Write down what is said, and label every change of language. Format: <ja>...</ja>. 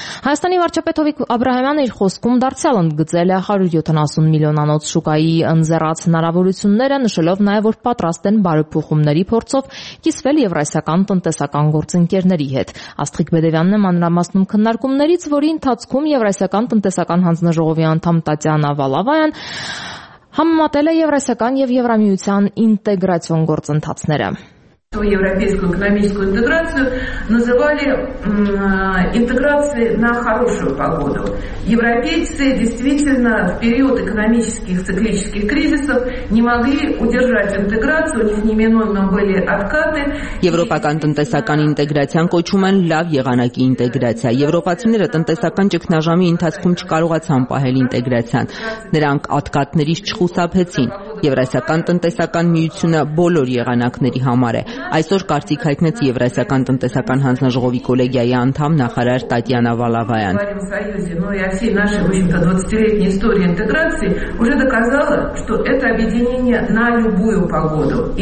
<hy>Հայաստանի վարչապետ Հովիկ Աբրահամյանը իր խոսքում դարձյալ ընդգծել է 170 միլիոնանոց շուկայի ընձեռած հնարավորությունները, նշելով նաև, որ պատրաստ են բարեփոխումների փորձով կիսվել Եվրասիական տնտեսական գործընկերների հետ։ Աստղիկ Մեդևյանն է մանրամասնում քննարկումներից, որի ընթացքում Եվրասիական տնտեսական հանձնաժողովի անդամ Տատյանա Վալավայան համեմատել է Եվրասիական և Եվրամիության ինտեգրացիոն գործընթացները։</hy> <ru>Европейскую экономическую интеграцию называли интеграцией на хорошую погоду. Европейцы действительно в период экономических циклических кризисов не могли удержать интеграцию, у них неминуемо были откаты.</ru> <hy>Եվրոպական տնտեսական ինտեգրացիան կոչում են լավ եղանակի ինտեգրացիա։ Եվրոպացիները տնտեսական ճգնաժամի ընթացքում չկարողացան պահել ինտեգրացիան։ Նրանք ատկատներից չխուսափեցին։ Եվրասիական տնտեսական միությունը բոլոր եղանակների համար է։ Այսօր կարծիք հայտնեց Եվրասիական տնտեսական հանձնաժողովի կոլեգիայի անդամ նախարար Տատյանա Վալավայան։</hy>